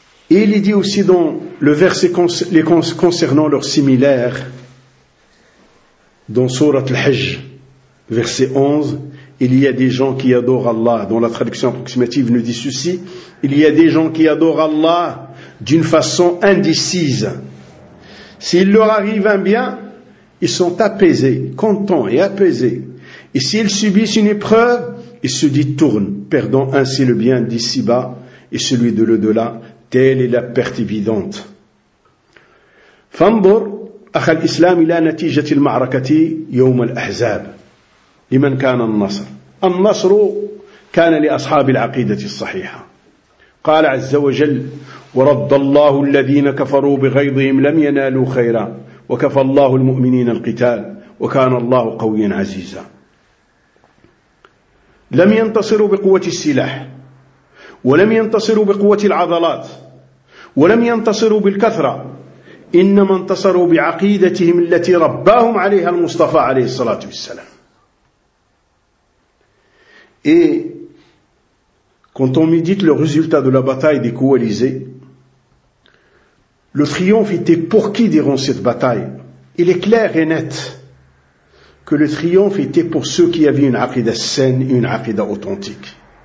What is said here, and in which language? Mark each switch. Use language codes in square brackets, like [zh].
[fr] Et il dit aussi dans le verset concernant leurs similaires, dans Surat Al-Hajj, verset 11, il y a des gens qui adorent Allah, dont la traduction approximative nous dit ceci, il y a des gens qui adorent Allah d'une façon indécise. S'il leur arrive un bien, ils sont apaisés, contents et apaisés. Et s'ils subissent une épreuve, ils se détournent, perdant ainsi le bien d'ici-bas et celui de l'au-delà. Telle est la perte évidente. [ar] فانظر أخ الإسلام إلى نتيجة المعركة يوم الأحزاب لمن كان النصر. النصر كان لأصحاب العقيدة الصحيحة. قال عز وجل ورد الله الذين كفروا بغيظهم لم ينالوا خيرا وكفى الله المؤمنين القتال وكان الله قويا عزيزا. لم ينتصروا بقوة السلاح ولم ينتصروا بقوة العضلات ولم ينتصروا بالكثرة، إنما انتصروا بعقيدتهم التي رباهم عليها المصطفى عليه الصلاة والسلام. [fr] Et quand on médite le résultat de la bataille des coalisés, le triomphe était pour qui durant cette bataille? Il est clair et net que le triomphe était pour ceux qui avaient une aqida saine et une aqida authentique.